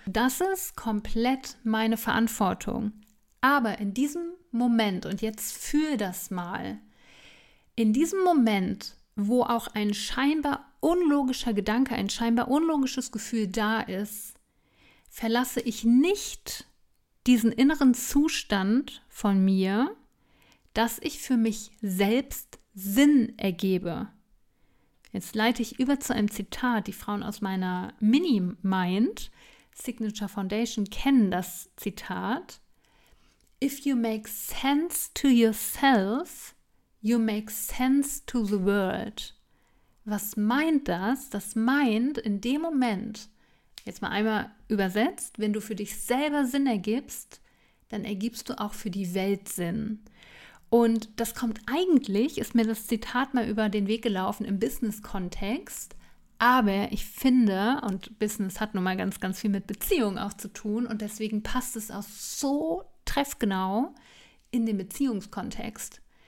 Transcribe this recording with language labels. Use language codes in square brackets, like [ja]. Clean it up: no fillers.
[de] Das ist komplett meine Verantwortung. Aber in diesem Moment, und jetzt fühl das mal, in diesem Moment, wo auch ein scheinbar unlogischer Gedanke, ein scheinbar unlogisches Gefühl da ist, verlasse ich nicht diesen inneren Zustand von mir, dass ich für mich selbst Sinn ergebe. Jetzt leite ich über zu einem Zitat, die Frauen aus meiner Mini-Mind, Signature Foundation, kennen das Zitat. [en] If you make sense to yourself, you make sense to the world. [de] Was meint das? Das meint in dem Moment, jetzt mal einmal übersetzt, wenn du für dich selber Sinn ergibst, dann ergibst du auch für die Welt Sinn. Und das kommt eigentlich, ist mir das Zitat mal über den Weg gelaufen im Business-Kontext, aber ich finde, und Business hat nun mal ganz, ganz viel mit Beziehung auch zu tun und deswegen passt es auch so treffgenau in den Beziehungskontext.